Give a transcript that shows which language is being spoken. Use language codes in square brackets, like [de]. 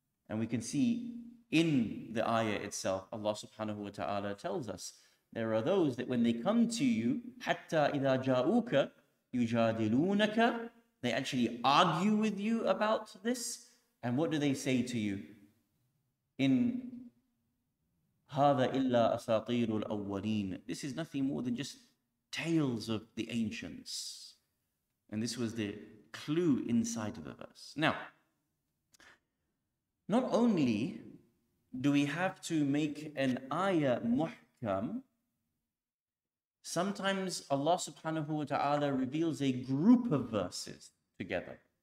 [en] And we can see in the ayah itself, Allah subhanahu wa ta'ala tells us, there are those that when they come to you, [ar] حَتَّى إِذَا جَاءُوكَ يُجَادِلُونَكَ, [en] they actually argue with you about this. And what do they say to you? [ar] In هذا إلا أساطير الأولين. [en] This is nothing more than just tales of the ancients. And this was the clue inside of the verse. Now, not only do we have to make an ayah muhkam, sometimes Allah subhanahu wa ta'ala reveals a group of verses together.